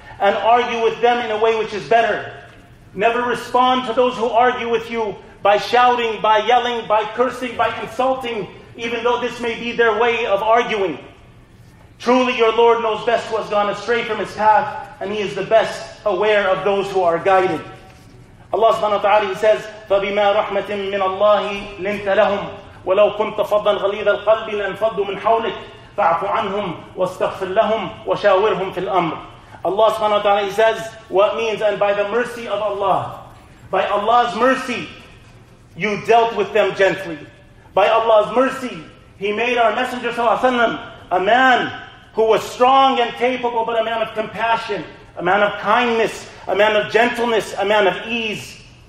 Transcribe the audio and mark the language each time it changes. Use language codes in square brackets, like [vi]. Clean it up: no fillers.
[en] and argue with them in a way which is better. Never respond to those who argue with you by shouting, by yelling, by cursing, by insulting, even though this may be their way of arguing. Truly your Lord knows best who has gone astray from his path, and he is the best aware of those who are guided. [ar] Allah subhanahu wa ta'ala, [en] he says, [ar] فَبِمَا رَحْمَةٍ مِّنَ اللَّهِ لِنْتَ لَهُمْ وَلَوْ كُنْتَ فَضًّا غَلِيظَ الْقَلْبِ لَانْفَضُّوا مِنْ حَوْلِكَ فَاعْفُ عَنْهُمْ وَاسْتَغْفِرْ لَهُمْ وَشَاوِرْهُمْ فِي الْأَمْرِ. [en] Allah subhanahu wa ta'ala, he says, what means, and by the mercy of Allah, by Allah's mercy, you dealt with them gently. By Allah's mercy, he made our Messenger sallallahu alayhi wa sallam a man who was strong and capable, but a man of compassion, a man of kindness, a man of gentleness, a man of ease.